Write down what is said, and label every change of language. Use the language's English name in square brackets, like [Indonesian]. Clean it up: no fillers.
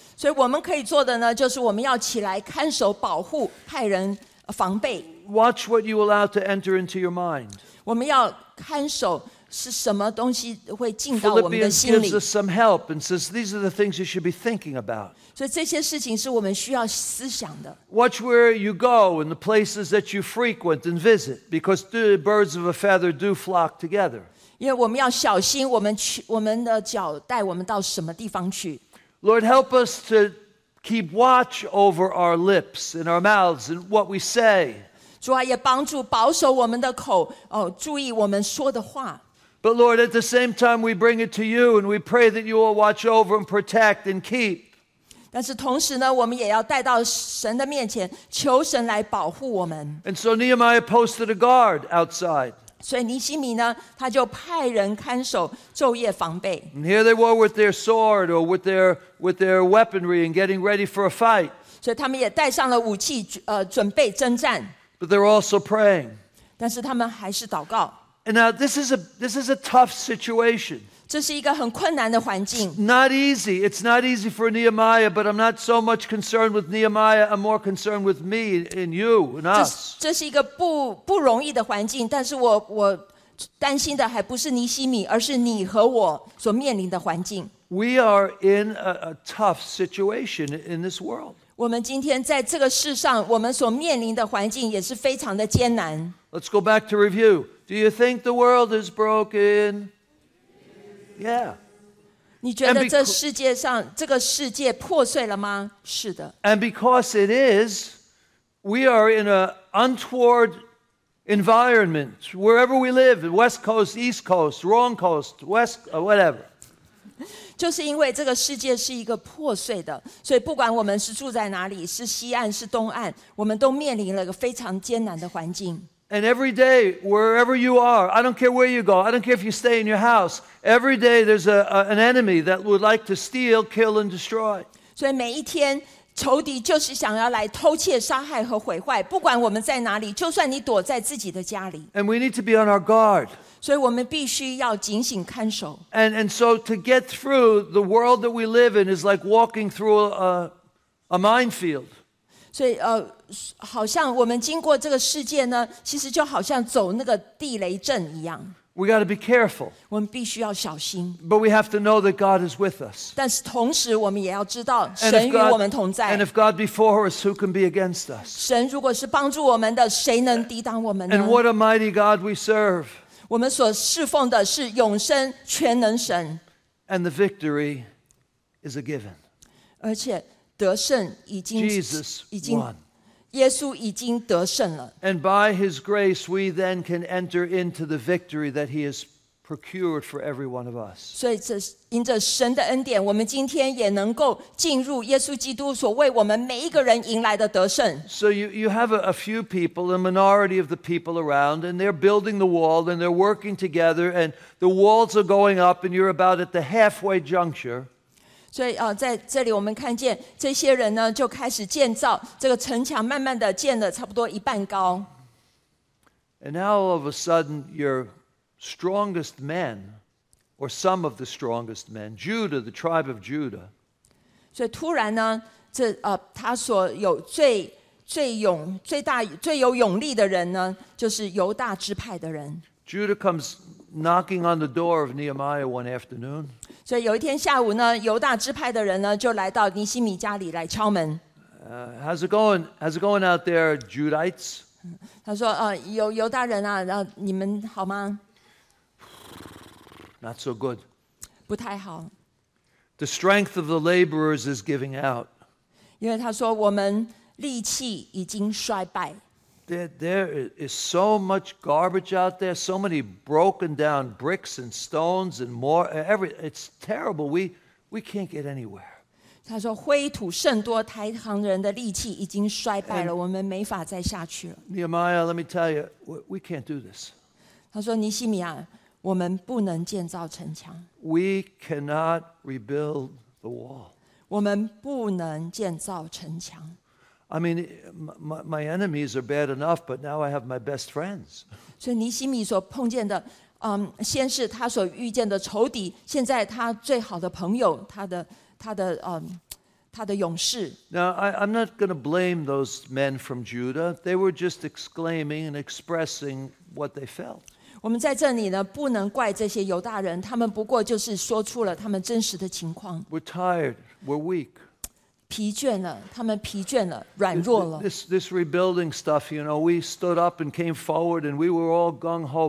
[Chinese] 所以我们可以做的呢，就是我们要起来看守、保护、派人防备。 [English] Watch what you allow to enter into your mind. [Chinese] 我们要看守。是什么东西会进到我们的心里 [English] Philippians gives us some help and says these are the things you should be thinking about. [Chinese] 所以这些事情是我们需要思想的 [English] Watch where you go and the places that you frequent and visit because the birds of a feather do flock together. [Chinese] 因为我们要小心我们的脚带我们到什么地方去 [English] Lord help us to keep watch over our lips and our mouths and what we say. [Chinese] 主啊也帮助保守我们的口注意我们说的话 [English] But Lord, at the same time, we bring it to you and we pray that you will watch over and protect and keep. [Chinese] 但是同时呢，我们也要带到神的面前，求神来保护我们。 [English] And so Nehemiah posted a guard outside. [Chinese] 所以尼希米呢，他就派人看守，昼夜防备。 [English] And here they were with their sword or with their weaponry and getting ready for a fight. [Chinese] 所以他们也带上了武器，准备征战。 [English] But they're also praying. [Chinese] 但是他们还是祷告。 [English] And now this is a tough situation. [Chinese] 这是一个很困难的环境。 [English] Not easy. It's not easy for Nehemiah, but I'm not so much concerned with Nehemiah. I'm more concerned with me and you and us. [Chinese] 这是一个不容易的环境，但是我担心的还不是尼希米，而是你和我所面临的环境。 [English] We are in a tough situation in this world. [Chinese] 我们今天在这个世上，我们所面临的环境也是非常的艰难。 [English] Let's go back to review. Do you think the world is broken? Yeah. [Chinese] 你觉得这世界上这个世界破碎了吗？是的。 [English] And because it is, we are in an untoward environment. Wherever we live, West Coast, East Coast, Wrong Coast, West, whatever. [Chinese] 就是因为这个世界是一个破碎的，所以不管我们是住在哪里，是西岸，是东岸，我们都面临了一个非常艰难的环境。 [English] And every day, wherever you are, I don't care where you go, I don't care if you stay in your house, every day there's an enemy that would like to steal, kill, and destroy. [Chinese] 所以每一天，仇敌就是想要来偷窃、杀害和毁坏。不管我们在哪里，就算你躲在自己的家里。 [English] And we need to be on our guard. [Chinese] 所以我们必须要警醒看守。 [English] And so to get through the world that we live in is like walking through a minefield. [Chinese] 所以好像我们经过这个世界呢，其实就好像走那个地雷阵一样。 [English] We got to be careful. [Chinese] 我们必须要小心。 [English] But we have to know that God is with us. [Chinese] 但是同时我们也要知道神与我们同在。 [English] And if God be for us, who can be against us? [Chinese] 神如果是帮助我们的，谁能抵挡我们呢 [English] ？And what a mighty God we serve. [Chinese] 我们所侍奉的是永生全能神。 [English] And the victory is a given. [Chinese] 而且得胜已经 [English] Jesus [Chinese] 已经 [English] won. [Chinese] 耶稣已经得胜了。 [English] And by his grace, we then can enter into the victory that he has procured for every one of us. [Chinese] 所以这因着神的恩典，我们今天也能够进入耶稣基督所为我们每一个人迎来的得胜。 [English] So you have a few people, a minority of the people around, and they're building the wall, and they're working together, and the walls are going up, and you're about at the halfway juncture. [Chinese] 所以在这里我们看见这些人呢就开始建造这个城墙，慢慢的建了差不多一半高。 [English] And now all of a sudden your strongest men, or some of the strongest men, Judah, the tribe of Judah. [Chinese] 所以突然呢，这他所有最有勇力的人呢，就是犹大支派的人。 [English] Judah comes knocking on the door of Nehemiah one afternoon. [Chinese] 所以有一天下午呢，犹大支派的人呢就来到尼希米家里来敲门。 [English] How's it going? How's it going out there, Judites? [Chinese] 他说：“犹大人啊，你们好吗 [English] ？”Not so good. [Chinese] 不太好。 [English] The strength of the laborers is giving out. [Chinese] 因为他说我们力气已经衰败。 [English] There is so much garbage out there, so many broken down bricks and stones and more. It's terrible. We can't get anywhere. [Chinese] 他说灰土甚多，台行人的力气已经衰败了，我们没法再下去了。 [English] Nehemiah, let me tell you, we can't do this. [Chinese] 他说尼希米亚，我们不能建造城墙。 [English] We cannot rebuild the wall. [Chinese] 我们不能建造城墙。 [English] I mean, my enemies are bad enough, but now I have my best friends. [Chinese] 所以尼希米所碰见的，先是他所遇见的仇敌，现在他最好的朋友，他的勇士。 [English] Now I'm not going to blame those men from Judah. They were just exclaiming and expressing what they felt. [Chinese] 我们在这里呢，不能怪这些犹大人，他们不过就是说出了他们真实的情况。 [English] We're tired. We're weak. [Chinese] 疲倦了，他们疲倦了，软弱了。 [English] This rebuilding stuff, you know, we stood up and came forward, and we were all gung ho.